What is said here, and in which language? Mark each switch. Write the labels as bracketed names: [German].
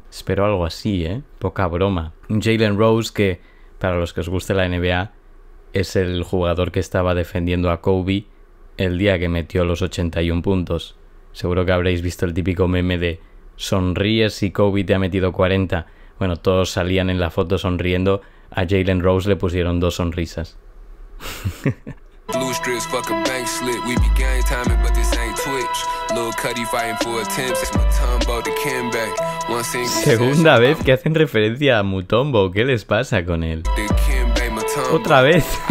[Spanish] Espero algo así, ¿eh? Poca broma. Jalen Rose, que para los que os guste la NBA, es el jugador que estaba defendiendo a Kobe el día que metió los 81 puntos. Seguro que habréis visto el típico meme de sonríes si Kobe te ha metido 40. Bueno, todos salían en la foto sonriendo, a Jalen Rose le pusieron dos sonrisas. [English] Blue strips, fuck a bank slip. We be gang timing, but this ain't Twitch. Lil Cuddy fighting for attempts. It's my time about to come back. [Spanish] Segunda vez que hacen referencia a Mutombo, ¿qué les pasa con él? Otra vez.